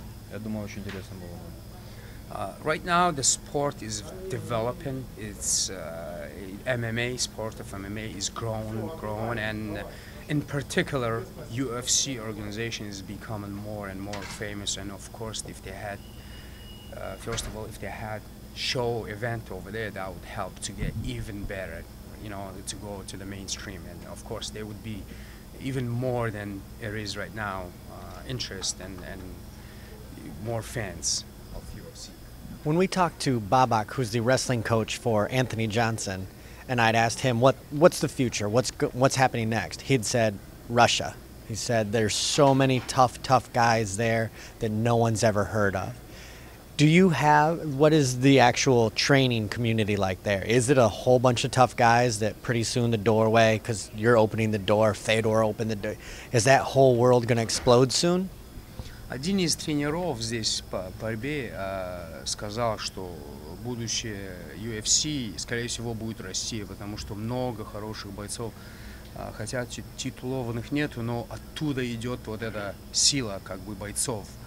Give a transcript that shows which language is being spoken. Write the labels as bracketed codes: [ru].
[ru] Я думаю, очень интересно было бы. [en] Right now, the sport is developing. It's MMA, sport of MMA is growing, and in particular, UFC organization is becoming more and more famous. And of course, if they had, first of all, if they had show event over there, that would help to get even better, you know, to go to the mainstream. And of course, there would be even more than there is right now, interest and more fans. When we talked to Babak, who's the wrestling coach for Anthony Johnson, and I'd asked him, what's the future? What's happening next? He'd said, Russia. He said, there's so many tough, tough guys there that no one's ever heard of. Do you have, what is the actual training community like there? Is it a whole bunch of tough guys that pretty soon the doorway, because you're opening the door, Fedor opened the door, is that whole world going to explode soon? [ru] Один из тренеров здесь по борьбе сказал, что будущее UFC, скорее всего, будет расти, потому что много хороших бойцов, хотя титулованных нету, но оттуда идет вот эта сила как бы бойцов.